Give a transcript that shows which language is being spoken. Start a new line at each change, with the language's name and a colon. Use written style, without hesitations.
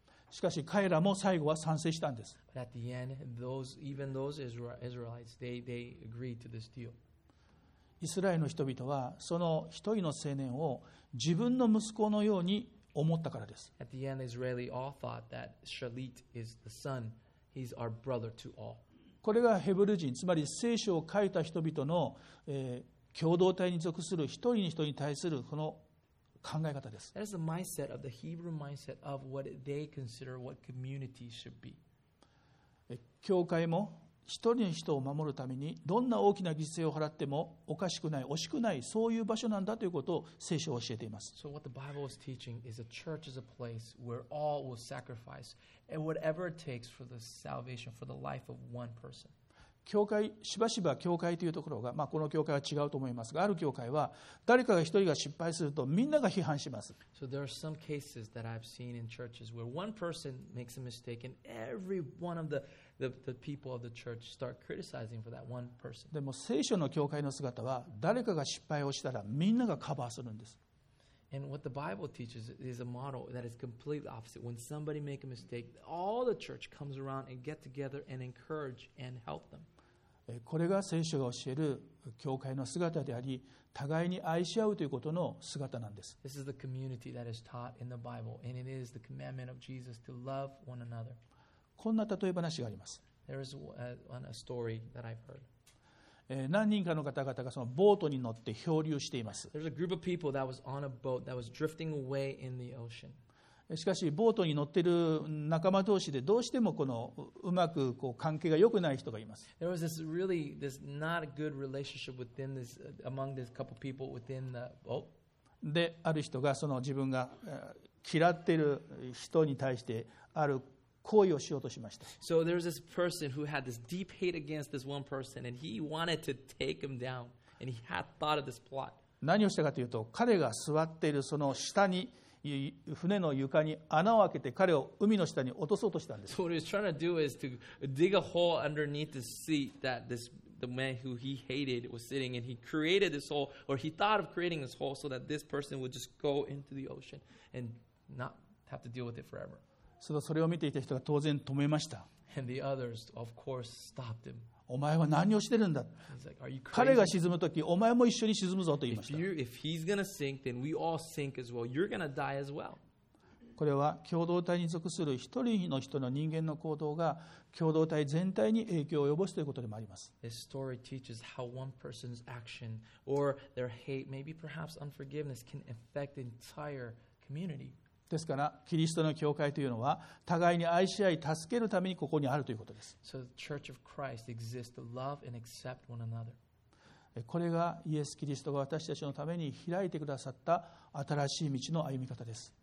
Japanese: しかし彼らも最後は賛成したんです。
English: But at the end, even those Israelites, they agreed to this deal.
Japanese: イスラエルの人々はその一人の青年を自分の息子のように思ったからです。
English: At the end, Israeli all thought that Shalit is the son. He's our brother to all.
Japanese: これがヘブル人、つまり聖書を書いた人々の、共同体に属する一人に一人に対するこの考え方です。
English: That is the mindset of the Hebrew mindset of what they consider what community should be.
Japanese: 教会も一人の人を守るためにどんな大きな犠牲を払ってもおかしくない、惜しくない、そういう場所なんだということを聖書は教えています。
English: So what the Bible is teaching is a church is a place where all will sacrifice and whatever it takes for the salvation for the life of one person.
Japanese: 教会しばしば教会というところが、まあ、この教会は違うと思いますが、ある教会は誰かが一人が失敗するとみんなが批判します。
English: So there are some cases that I've seen in churches where one person makes a mistake and every one of the people of the church start criticizing for that one person.
Japanese: でも聖書の教会の姿は誰かが失敗をしたらみんながカバーするんです。
English: And what the Bible teaches is a model that is completely opposite. When somebody makes a mistake, all the church comes around and get together and encourage and help them.
Japanese: これが聖書が教える教会の姿であり、互いに愛し合うということの姿なんです。
English: This is the community that is taught in the Bible, and it is the commandment of Jesus to love one another.
Japanese: こんな例え話があります。
English: There is a story that I've heard.
Japanese: 何人かの方々がそのボートに乗って漂流しています。
English: There's a group of people that was on a boat that was drifting away in the ocean.
Japanese: しかしボートに乗っている仲間同士でどうしてもこのうまくこう関係が良くない人がいます。
English: There was this really this not a good relationship within this among this couple people within the boat.
Japanese: で、ある人がその自分が嫌っている人に対してある行為をしようとしました。
English: So there was this person who had this deep hate against this one person and he wanted to take him down and he had thought of this plot.
Japanese: 何をしたかというと、彼が座っているその下に船の床に穴を開けて彼を海の下に落とそうとしたんです。
English: So what he was trying to do is to dig a hole underneath the sea that this the man who he hated was sitting, and he created this hole, or he thought of creating this hole so that this person would just go into the ocean and not have to deal with it forever.
Japanese: それを見ていた人が当然止めました。
English: And the others, of course, stopped him.
Japanese: お前は何をしてるんだ、
English: like、
Japanese: 彼が沈むとき、お前も一緒に沈むぞと言いました。
English: If he's gonna sink, then we all sink as well. You're gonna die as well.
Japanese: これは共同体に属する一人の人の人間の行動が共同体全体に影響を及ぼすということでもあります。
English: This story teaches how one person's action or their hate, maybe perhaps unforgiveness, can affect the entire community.
Japanese: ですからキリストの教会というのは互いに愛し合い助けるためにここにあるということです。
English: So the Church of Christ exists to love and accept one another.
Japanese: これがイエス・キリストが私たちのために開いてくださった新しい道の歩み方です。